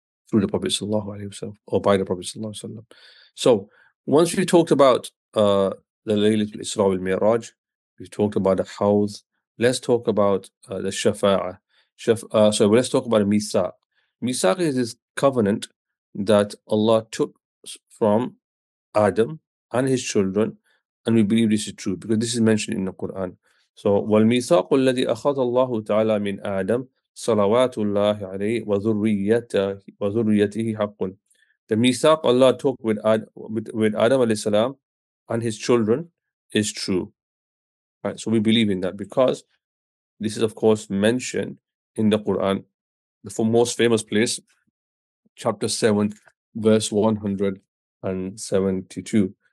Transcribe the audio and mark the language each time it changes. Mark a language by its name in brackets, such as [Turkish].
[English] Through the Prophet sallallahu alayhi wa sallam, or by the Prophet sallallahu alayhi wa sallam. So once we talked about the Laylatul Isra wal Mi'raj, we've talked about the Hawz, let's talk about the Shafa'ah. Let's talk about a Misaq. Misaq is this covenant that Allah took from Adam and his children, and we believe this is true because this is mentioned in the Quran. [Arabic] So, والميثاق الذي أخذ الله تعالى من آدم صلوات الله عليه وذريته حق. [English] The ميثاق Allah took with Adam عليه السلام and his children is true. Right? So we believe in that because this is of course mentioned in the Quran, the most famous place, chapter 7, verse 172.